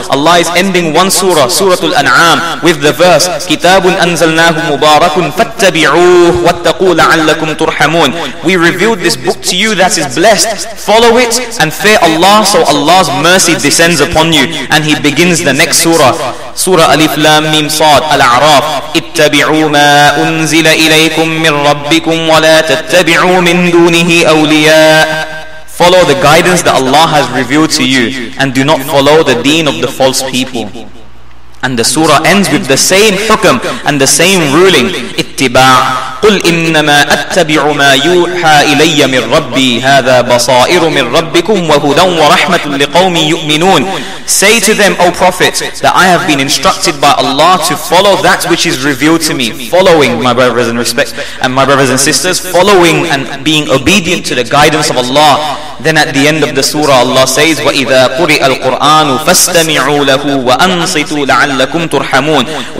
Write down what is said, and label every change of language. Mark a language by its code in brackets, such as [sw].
[en] Allah is ending one surah, Suratul An'am, with the verse, [ar] كِتَابٌ أَنزَلْنَاهُ مُبَارَكٌ فَاتَّبِعُوهُ وَاتَّقُوا لَعَلَّكُمْ تُرْحَمُونَ. [en] We revealed this book to you that is blessed. Follow it and fear Allah, so Allah's mercy descends upon you. And he begins the next surah, Surah Alif Lam Mim Sad, Al-A'raf. [ar] اتبعوا ما أنزل إليكم من ربكم ولا تتبعوا من دونه أولياء. [en] Follow the guidance that Allah has revealed to you, and do not follow the deen of the false people. And the surah ends with the same hukam and the same ruling. [ar] اتباع. قل إنما أتبع ما يوحى إلي من ربي هذا بصائر من ربكم وهدى ورحمة لقوم يؤمنون. [en] Say to them, O Prophet, that I have been instructed by Allah to follow that which is revealed to me. Following, my brothers and respect, and my brothers and sisters, following and being obedient to the guidance of Allah. Then at the end of the surah, Allah says, [ar] وَإِذَا قُرِئَ الْقُرْآنُ فَاسْتَمِعُوا لَهُ وَأَنصِتُوا لَعَلَّكُمْ تُرْحَمُونَ.